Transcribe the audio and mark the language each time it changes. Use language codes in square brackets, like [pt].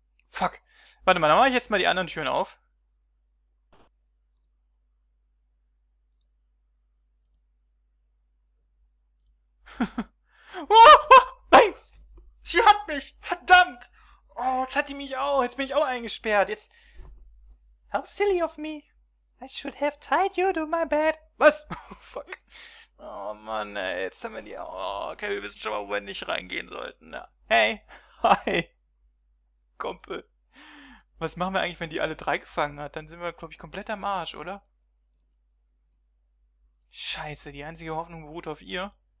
[de] Fuck. Warte mal, dann mache ich jetzt mal die anderen Türen auf. Nein! Sie hat mich! Verdammt! Oh, jetzt hat die mich auch. Jetzt bin ich auch eingesperrt. [en] Jetzt. How silly of me. I should have tied you to my bed. [de] Was? Fuck. Oh Mann, ey, jetzt haben wir die. Oh, okay, wir wissen schon mal, wo wir nicht reingehen sollten. Ja. Hey! Hi! Kumpel. Was machen wir eigentlich, wenn die alle drei gefangen hat? Dann sind wir, glaube ich, komplett am Arsch, oder? Scheiße, die einzige Hoffnung beruht auf ihr.